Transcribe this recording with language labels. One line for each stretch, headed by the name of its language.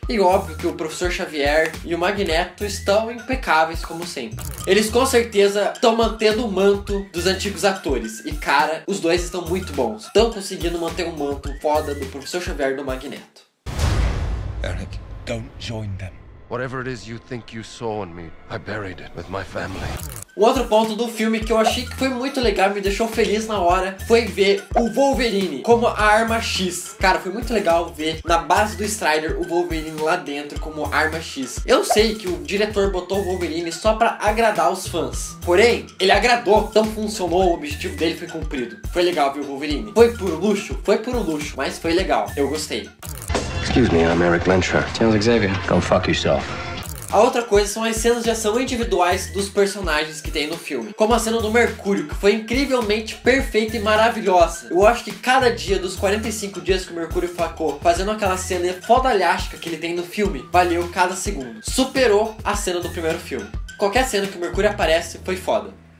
Portuguese: E óbvio que o Professor Xavier e o Magneto estão impecáveis como sempre. Eles com certeza estão mantendo o manto dos antigos atores. E cara, os dois estão muito bons. Estão conseguindo manter o manto foda do Professor Xavier e do Magneto.
English: Eric, don't join them. Whatever it is you think you saw in me, I buried it with my family.
Portuguese: Um outro ponto do filme que eu achei que foi muito legal, me deixou feliz na hora, foi ver o Wolverine como a arma X. Cara, foi muito legal ver na base do Strider o Wolverine lá dentro como arma X. Eu sei que o diretor botou o Wolverine só pra agradar os fãs. Porém, ele agradou, então funcionou, o objetivo dele foi cumprido. Foi legal ver o Wolverine. Foi puro luxo? Foi puro luxo, mas foi legal. Eu gostei.
English: Excuse me, I'm Eric Lentra. Tell Xavier, go fuck yourself.
Portuguese: A outra coisa são as cenas de ação individuais dos personagens que tem no filme. Como a cena do Mercúrio, que foi incrivelmente perfeita e maravilhosa. Eu acho que cada dia dos 45 dias que o Mercúrio ficou fazendo aquela cena fodalhástica que ele tem no filme, valeu cada segundo. Superou a cena do primeiro filme. Qualquer cena que o Mercúrio aparece foi foda.